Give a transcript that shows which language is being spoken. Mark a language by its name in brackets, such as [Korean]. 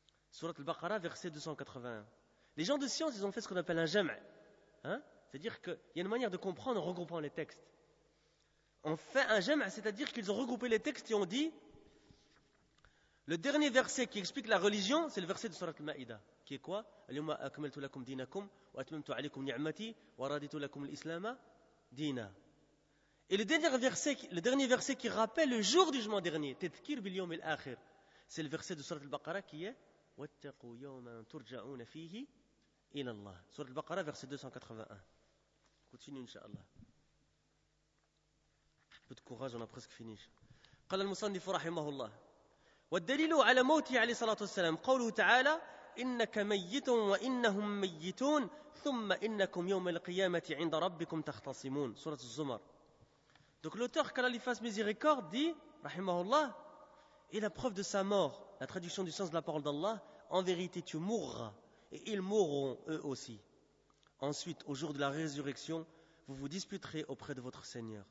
[French] Surat al-Baqarah, verset 281. Les gens de science, ils ont fait ce qu'on appelle un jam'. C'est-à-dire qu'il y a une manière de comprendre en regroupant les textes. On fait un jam', c'est-à-dire qu'ils ont regroupé les textes et ont dit le dernier verset qui explique la religion, c'est le verset de Surat al-Ma'idah. Qui est quoi? [Arabic] اليوم أكملت لكم دينكم وأتممت عليكم نعمتي ورضيت لكم الإسلام دينا. [French] Et le dernier verset qui rappelle le jour du jugement dernier, [Arabic] تذكير باليوم الآخر, [French] c'est le verset de sourate Al-Baqara qui est [Arabic] واتقوا يوما ترجعون فيه إلى الله. [French] Sourate Al-Baqara, verset 281. Continue inshallah. Un peu de courage, on a presque fini. [Arabic] قال المصنف رحمه الله والدليل على موته عليه الصلاة والسلام قوله تعالى إنك ميت وإنهم ميتون ثم إنكم يوم القيامة عند ربكم تختصمون. سورة الزمر. [French] Donc l'auteur, qu'Allah lui fasse miséricorde, dit, rahimahullah, et la preuve de sa mort, la traduction du sens de la parole d'Allah, en vérité tu mourras et ils mourront eux aussi. Ensuite, au jour de la résurrection, vous vous disputerez auprès de votre Seigneur.